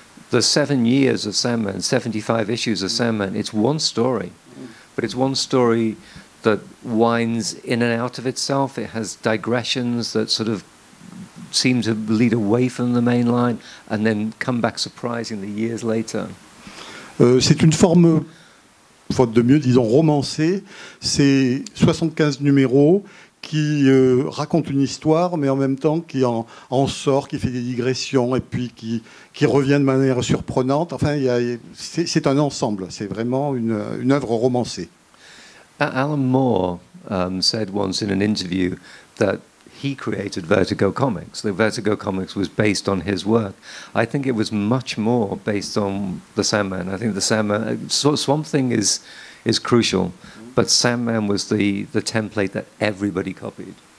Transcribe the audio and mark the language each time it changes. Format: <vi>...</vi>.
<en>The 7 years of Sandman, 75 issues of Sandman, it's one story. But it's one story that winds in and out of itself. It has digressions that sort of seem to lead away from the main line and then come back surprisingly years later.</en> <fr>C'est une forme, faute de mieux, disons romancée. C'est 75 numéros qui racontent une histoire, mais en même temps qui en sort, qui fait des digressions et puis qui revient de manière surprenante. Enfin, c'est un ensemble. C'est vraiment une œuvre romancée.</fr> <en>Alan Moore said once in an interview that he created Vertigo Comics. The Vertigo Comics was based on his work. I think it was much more based on the Sandman. I think the Sandman, Swamp Thing is crucial, but Sandman was the template that everybody copied.</en>